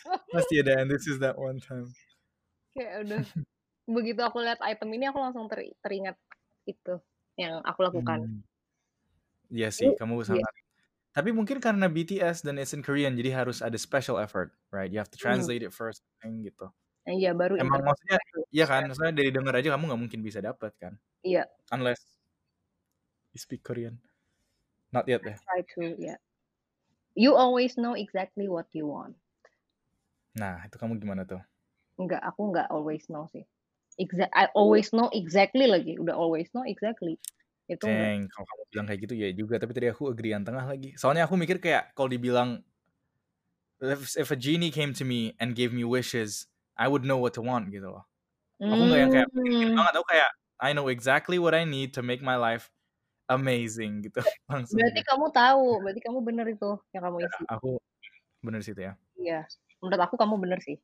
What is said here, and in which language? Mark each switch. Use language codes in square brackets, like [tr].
[id] Pasti ada, [en] and this is that one time. [id] Kayak udah. Begitu aku lihat item ini, aku langsung teringat itu yang aku lakukan. Iya sih, kamu sangat. Tapi mungkin karena BTS dan [en] it's in Korean, [id] jadi harus ada [en] special effort, right? You have to translate it first, [id] gitu. Iya, baru emang maksudnya, iya kan? Maksudnya dari denger aja kamu nggak mungkin bisa dapat kan? Iya. [en] Unless you speak Korean. Not yet, deh. Try to, yeah. You always know exactly what you want. [id] Nah, itu kamu gimana tuh? Enggak, aku enggak [en] always know [id] sih. [en] I always know exactly lagi. [id] Udah [en] always know exactly. [id] Dang, kalau kamu bilang kayak gitu ya juga. Tapi tadi aku agree yang tengah lagi. Soalnya aku mikir kayak kalau dibilang [en] if a genie came to me and gave me wishes, I would know what to want [id] gitu loh. Aku enggak yang kayak mikir banget. Aku kayak [en] I know exactly what I need to make my life amazing [id] gitu. Langsung. Berarti kamu tahu. Berarti kamu benar itu yang kamu isi. Aku benar sih itu ya. Iya. Yeah. Menurut aku kamu benar sih.